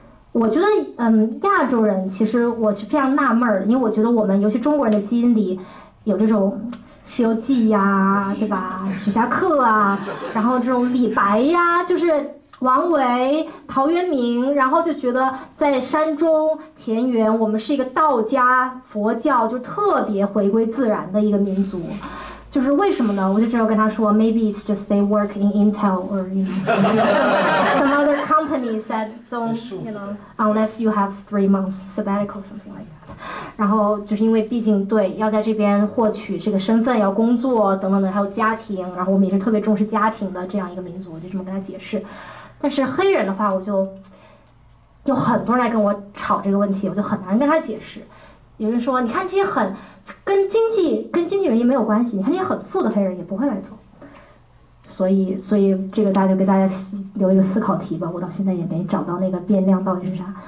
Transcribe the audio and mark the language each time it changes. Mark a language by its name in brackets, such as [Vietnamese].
[Chinese] 我觉得亚洲人其实我是非常纳闷，因为我觉得我们尤其中国人的基因里有这种西游记呀、啊、对吧，徐霞客啊，然后这种李白呀、啊、就是王维、陶渊明，然后就觉得在山中田园，我们是一个道家佛教就特别回归自然的一个民族。就是为什么呢？我就只有跟他说 [English] ，Maybe it's just they work in Intel or you know, some other companies that don't you know unless you have 3 months sabbatical something like that。 [Chinese] 然后就是因为毕竟对要在这边获取这个身份，要工作等等的，还有家庭，然后我们也是特别重视家庭的这样一个民族，我就这么跟他解释。但是黑人的话，我就有很多人来跟我吵这个问题，我就很难跟他解释。有人说，你看这些很。跟经纪人也没有关系，你看那些很富的黑人也不会来走，所以这个大家就给大家留一个思考题吧，我到现在也没找到那个变量到底是啥。